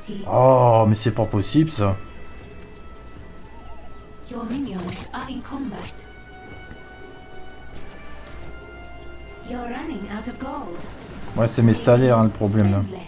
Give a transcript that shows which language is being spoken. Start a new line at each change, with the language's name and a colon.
French: Oh, mais c'est pas possible, ça.
English: Your minions are in combat. You're running out of gold.
French: Ouais, c'est mes salaires, hein, le problème.